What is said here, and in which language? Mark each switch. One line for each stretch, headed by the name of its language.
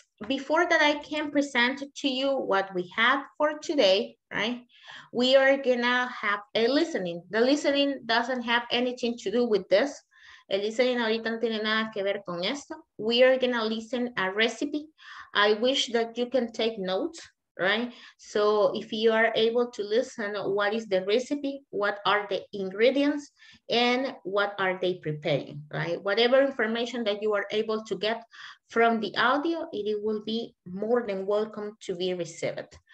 English: Before that, I can present to you what we have for today, right? We are gonna have a listening. The listening doesn't have anything to do with this.
Spanish: El listening ahorita no tiene nada que ver con esto.
English: We are gonna listen a recipe. I wish that you can take notes, right? So if you are able to listen, what is the recipe? What are the ingredients? And what are they preparing, right? Whatever information that you are able to get from the audio, it will be more than welcome to be received.